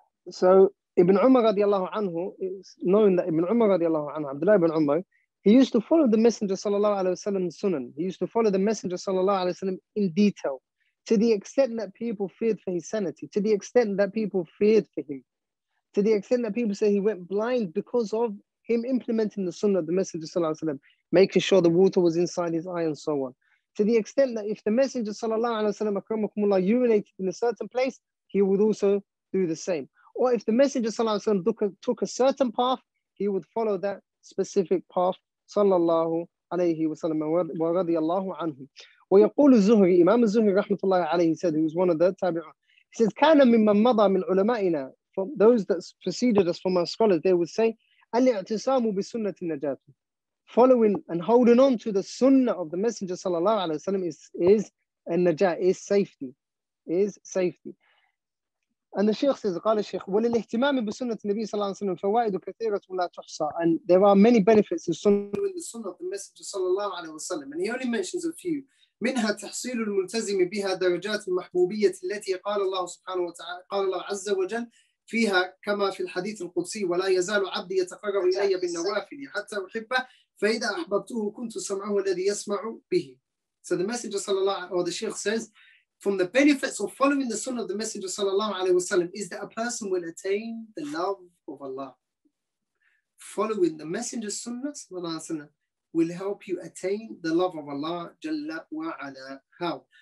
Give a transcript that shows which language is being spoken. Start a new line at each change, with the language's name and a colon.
English: So ابن عمر
Arabic: رضي الله عنه,
English: knowing that ابن عمر رضي الله عنه, عبد الله بن عمر, he used to follow the Messenger
Arabic: صلى الله عليه وسلم
English: sunan. He used to follow the Messenger
Arabic: صلى الله عليه وسلم
English: in detail, to the extent that people feared for his sanity, to the extent that people feared for him, to the extent that people say he went blind because of him implementing the sunnah of the Messenger sallallahu alaihi wasallam, making sure the water was inside his eye and so on. To the extent that if the Messenger sallallahu alaihi wasallam akramakumullah urinated in a certain place, he would also do the same. Or if the Messenger sallallahu alaihi wasallam took a certain path, he would follow that specific path, sallallahu alaihi wasallam wa radiyallahu anhu.
Arabic: ويقول الزهري إمام الزهري رحمة الله عليه
English: said, he was one of the
Arabic: تابعون,
English: he says
Arabic: كان ممن مضى من علمائنا
English: from those that preceded us from our scholars, they would say,
Arabic: Al-i'tisamu bi sunnati najat.
English: Following and holding on to the sunnah of the Messenger sallallahu alaihi wasallam is a najat, is safety, is safety. And the Sheikh says,
Arabic: قال الشيخ وللاهتمام بسنة النبي صلى الله عليه وسلم فوائد كثيرة ولا تحصى.
English: And there are many benefits in sunnah, in the sunnah of the Messenger
Arabic: صلى الله عليه وسلم.
English: And he only mentions a few.
Arabic: منها تحصيل الملتزم بها درجات المحبوبية التي قال الله سبحانه وتعالى قال الله عز وجل فيها كما في الحديث القدسي ولا يزال عبدي يتقرب إلي بالنوافل حتى أحبه فإذا أحببته كنت سمعه الذي يسمع به.
English: So the Messenger
Arabic: صلى الله عليه وسلم,
English: or the Sheikh says, from the benefits of following the sunnah of the Messenger sallallahu alaihi wasallam is that a person will attain the love of Allah. Following the Messenger's sunnah sallallahu alaihi wasallam will help you attain the love of Allah jalla wa ala. How?